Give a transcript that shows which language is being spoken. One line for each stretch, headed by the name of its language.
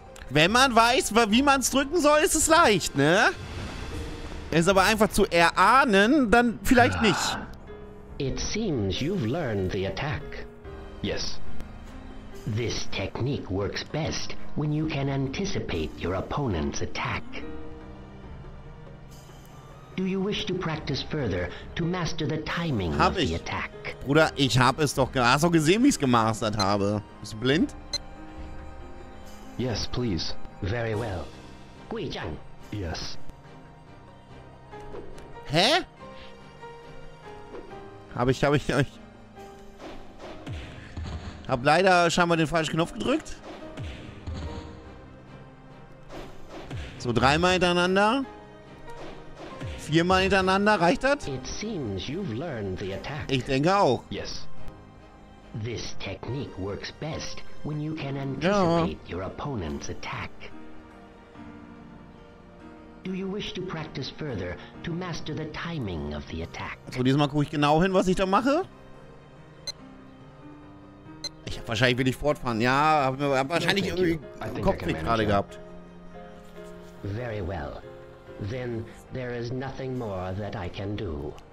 German: Wenn man weiß, wie man es drücken soll, ist es leicht, ne? Ist aber einfach zu erahnen, dann vielleicht nicht.
English: It seems you've learned the attack. Yes. This technique works best when you can anticipate your opponent's attack. Do you wish to practice further to master the timing of the attack?
German: Bruder, ich hab es doch. Hast du gesehen, wie ich es gemastert habe? Bist du blind?
English: Yes, please. Very well. Gui Zhang. Yes.
German: Hä? Hab ich. Hab leider scheinbar den falschen Knopf gedrückt. So dreimal hintereinander. Viermal hintereinander, reicht das?
English: It seems you've learned the attack.
German: Ich denke auch.
English: Yes. This technique works best when you can anticipate your opponent's attack. Do you wish to practice further to master the timing of the attack?
German: So, diesmal gucke ich genau hin, was ich da mache. Ich hab wahrscheinlich will ich fortfahren. Ja, hab wahrscheinlich irgendwie Kopfweh gerade gehabt.
English: Very well. Then there is nothing more that I can do.